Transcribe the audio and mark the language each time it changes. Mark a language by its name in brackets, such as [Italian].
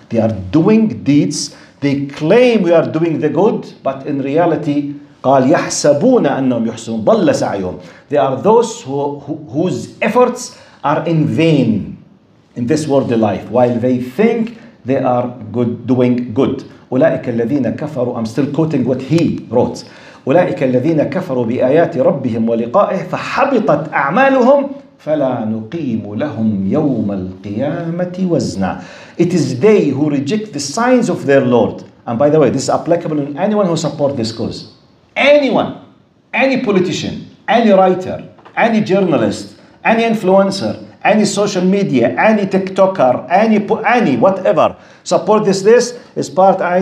[English] They are doing deeds. They claim we are doing the good, but in reality, [Arabic] قال يحسبون أنهم يحسنون ضل سعيهم. [English] They are those whose efforts are in vain in this worldly life, while they think they are good, doing good. [Arabic] أولئك الذين كفروا. [English] I'm still quoting what he wrote. [Arabic] أولئك الذين كفروا بآيات ربهم ولقائه فحبطت أعمالهم فلا نقيم لهم يوم القيامة وزنا. [English] It is they who reject the signs of their Lord. And by the way, this is applicable to anyone who supports this cause. Anyone, any politician, any writer, any journalist, any influencer, any social media, any TikToker, any whatever, support this is part.